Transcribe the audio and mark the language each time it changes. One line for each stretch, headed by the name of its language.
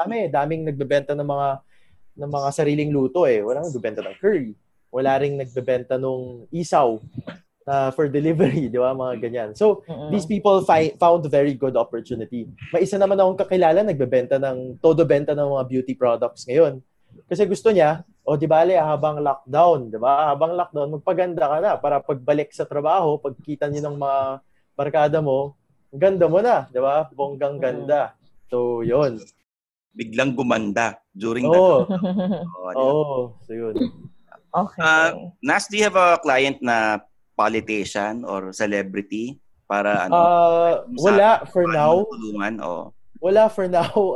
Filipino: Daming nagbebenta ng mga sariling luto eh. Walang nagbebenta ng curry. Wala ring nagbebenta nung isaw.
English: for delivery,
Filipino: di ba, mga ganyan.
English: So, these people found very good opportunity.
Filipino: May isa naman akong kakilala, nagbebenta ng, todo benta ng mga beauty products ngayon. Kasi gusto niya, o di ba, habang lockdown, di ba, habang lockdown, magpaganda ka na para pagbalik sa trabaho, pagkita niyo ng mga barkada mo, ganda mo na, di ba, bonggang ganda. So, yun. Biglang gumanda during So, yun.
English: Okay. Nas, do you have a client na politician or celebrity
Filipino: para ano?
English: Wala for now.
Filipino: Tulungan,
English: wala for now.